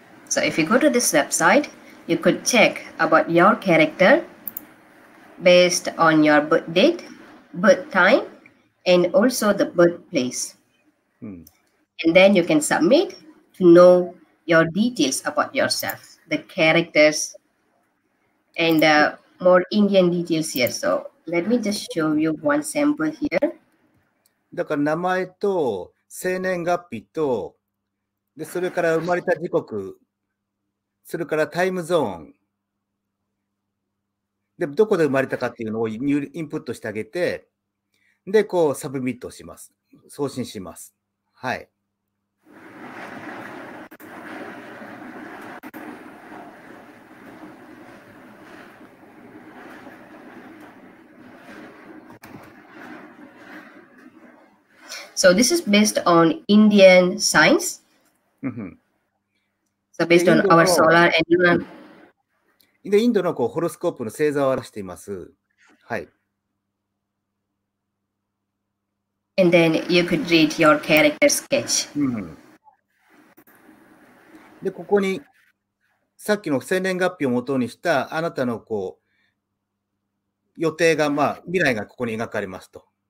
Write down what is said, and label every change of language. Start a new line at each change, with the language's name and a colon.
English: So if you go to this website, you could check about your character based on your birth date, birth time, and also the birthplace. And then you can submit to know your details about yourself, the characters, and more Indian details here. So,Let me just show you one sample here.
Japanese: だから名前と生年月日とでそれから生まれた時刻それからタイムゾーンでどこで生まれたかっていうのをインプットしてあげてでこうサブミットします送信しますはい。
English: So this is based on Indian signs. So based on our solar and lunar.
Japanese: でインドのこうホロスコープの星座を表しています。はい。
English: And then you could read your character sketch.
Japanese: でここにさっきの生年月日を元にしたあなたのこう予定がまあ未来がここに描かれますと。